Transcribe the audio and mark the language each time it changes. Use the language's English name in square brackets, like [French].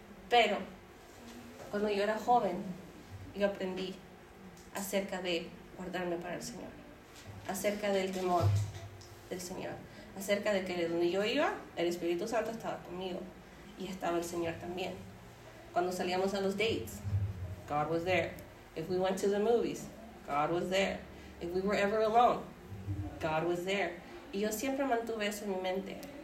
[Spanish] Pero cuando yo era joven, yo aprendí acerca de guardarme para el Señor, acerca del temor del Señor. Acerca de que donde yo iba, el Espíritu Santo estaba conmigo. Y estaba el Señor también. Cuando salíamos a los [English] dates, God was there. If we went to the movies, God was there. If we were ever alone, God was there. [Spanish] Y yo siempre mantuve eso en mi mente.